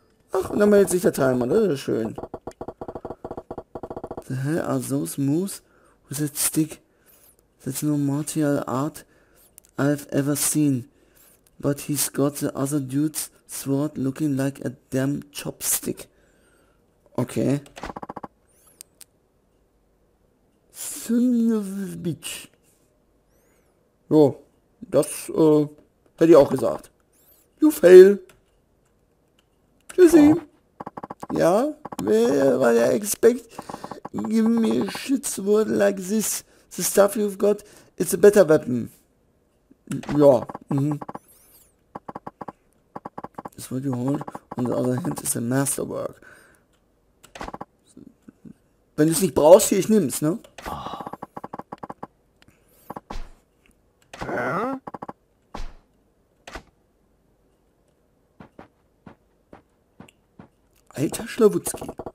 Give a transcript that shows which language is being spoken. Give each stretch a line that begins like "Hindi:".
German: Ach, und dann meldet sich der Timer, das ist schön.
English: The hell are those moves with that stick? That's no martial art I've ever seen. But he's got the other dude's sword looking like a damn chopstick. Okay. Son of a bitch.
German: Jo, das hätte ich auch gesagt.
English: You fail.
German: Tschüssi. Oh. Ja, weil er
English: expect give me a shit sword like this. The stuff you've got, it's a better weapon.
German: Ja, mhm.
English: This what you hold on the other hand is a masterwork.
German: Wenn du es nicht brauchst, hier, ich nimm's, ne? Alter Schlawutzki.